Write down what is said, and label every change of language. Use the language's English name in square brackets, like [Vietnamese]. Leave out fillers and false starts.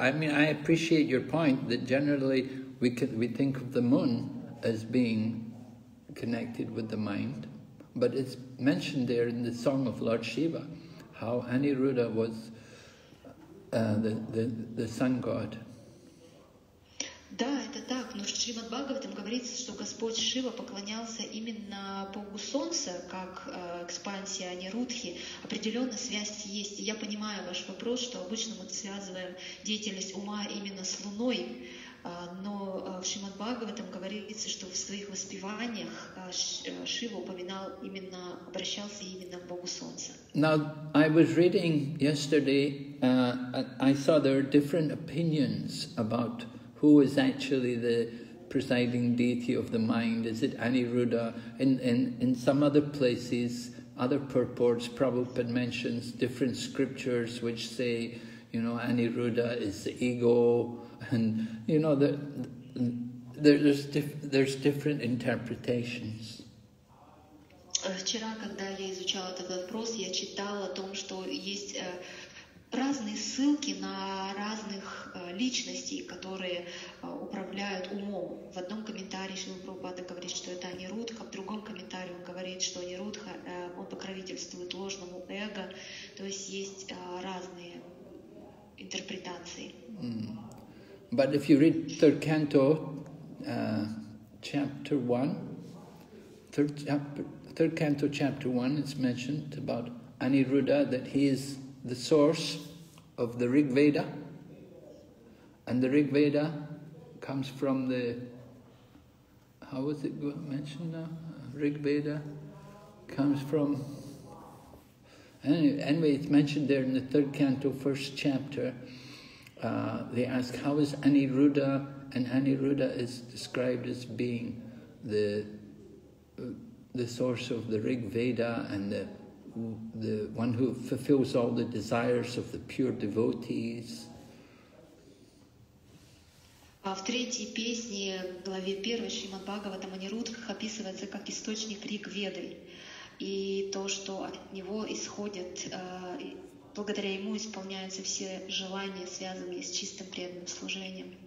[English] I mean, I appreciate your point that generally we think of the moon as being connected with the mind, but it's mentioned there in the song of Lord Shiva, how Anirudha was the sun god. [Russian] Да, это так. Но в Шримад Бхагаватам говорится, что Господь Шива поклонялся именно Богу Солнца, как экспансия Анирудхи. Определенно связь есть. Я понимаю ваш вопрос, что обычно мы связываем деятельность ума именно с Луной. Но в Шримад Бхагаватам говорится, что в своих воспеваниях Шива упоминал именно, обращался именно к Богу Солнца. [English] Now, I was reading yesterday, I saw there are different opinions about who is actually the presiding deity of the mind. Is it Anirudha? In some other places, other purports, Prabhupada mentions different scriptures which say, you know, Anirudha is the ego. And you know that there's different interpretations. [Russian] Вчера, когда я изучала этот вопрос, я читала о том, что есть разные ссылки на разных личностей, которые управляют умом. В одном комментарии Шрила Прабхупада говорит, что это Анирудха, в другом комментарии он говорит, что Анирудха, он покровительствует ложному эго. То есть есть разные интерпретации. [English] But if you read third canto, chapter one, third canto, chapter one, it's mentioned about Anirudha that he is the source of the Rig Veda, and the Rig Veda comes from the. How was it mentioned now? Rig Veda comes from. Anyway, it's mentioned there in the third canto, first chapter. They ask, how is Anirudha, and Anirudha is described as being the source of the Rig Veda and the one who fulfills all the desires of the pure devotees. [Russian] В третьей песне, главе 1 Шримад Бхагаватам Анирудх описывается как источник Ригведы. И то, что от него исходят, благодаря ему исполняются все желания, связанные с чистым преданным служением.